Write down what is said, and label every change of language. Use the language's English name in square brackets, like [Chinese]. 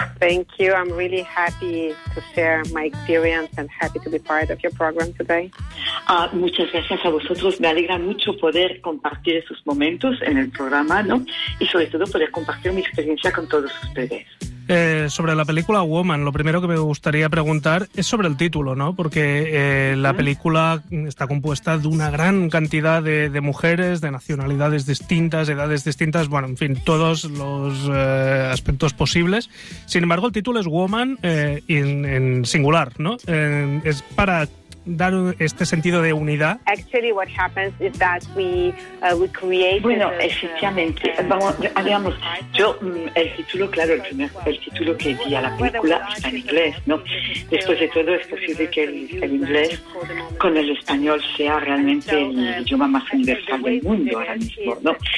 [English] Thank you, I'm really happy to share my experience and happy to be part of your program today. [Spanish] Muchas gracias a vosotros, me alegra mucho poder compartir esos momentos en el programa, ¿no? Y sobre todo poder compartir mi experiencia con todos ustedes. Sobre la película Woman, lo primero que me gustaría preguntar es sobre el título, ¿no? Porque la película está compuesta de una gran cantidad de mujeres, de nacionalidades distintas, edades distintas, bueno, en fin, todos los aspectos posibles. Sin embargo, el título es Woman en singular, ¿no? Es para dar este sentido de unidad? [English] Actually, what happens is that we create. [Spanish] Bueno, efectivamente, digamos, yo el título, claro, el título que di a la película está en inglés, ¿no? Después de todo, es posible que el inglés con el español sea realmente el idioma más universal del mundo ahora mismo, ¿no?